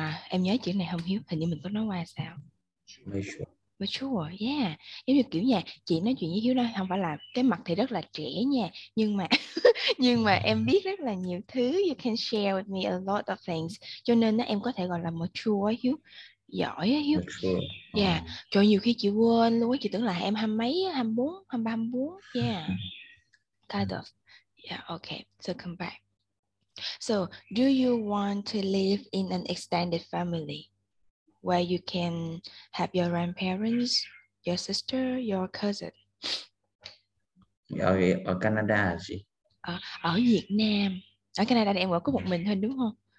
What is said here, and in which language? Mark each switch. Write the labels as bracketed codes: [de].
[vi] Em nhớ chữ này không Hiếu? Hình như mình có nói qua sao? [en] Sure. Mature, yeah. [vi] Giống như kiểu nha, chị nói chuyện với Hiếu đó, không phải là cái mặt thì rất là trẻ nha, nhưng mà nhưng mà em biết rất là nhiều thứ. [en] You can share with me a lot of things. [vi] Cho nên đó, em có thể gọi là mature Hiếu. Giỏi á Hiếu. Yeah, cho nhiều khi chị quên luôn, chị tưởng là em hai mấy, 24, 23, 24. [en] Yeah, kind of. Yeah, okay, so come back. So, do you want to live in an extended family where you can have your grandparents, your sister, your cousin? [vi] Canada chị. Ở Việt Nam, ở Canada thì em ở có một mình thôi đúng không?